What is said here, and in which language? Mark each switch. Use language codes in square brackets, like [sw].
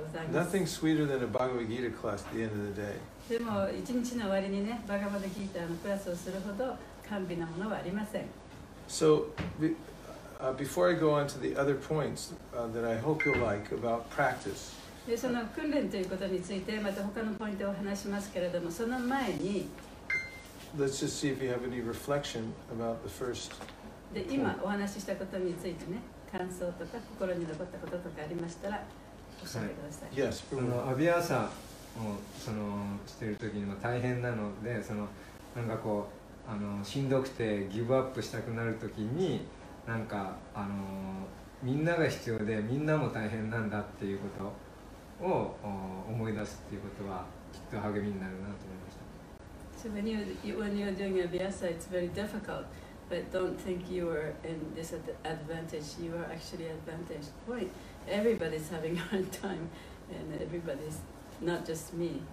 [en] Nothing sweeter than a Bhagavad Gita class at the end of the day. So, before I go on to the other points that I hope you'll like about practice, [ja] でその訓練ということについてまた他のポイントを話しますけれどもその前に [en] Let's just see if you have any reflection about the first [ja] で今お話ししたことについてね感想とか心に残ったこととかありましたら教えてください、はい、そのアビアーサをそのしている時にも大変なのでそのなんかこうあのしんどくてギブアップしたくなる時になんかあのみんなが必要でみんなも大変なんだっていうことを思い出すということはきっと励みになるなと思いました。 [en] So when you're doing Abhyasa, it's very difficult, but don't think you are in this advantage. You are actually advantage point. Everybody's having a hard time, and everybody's not just me.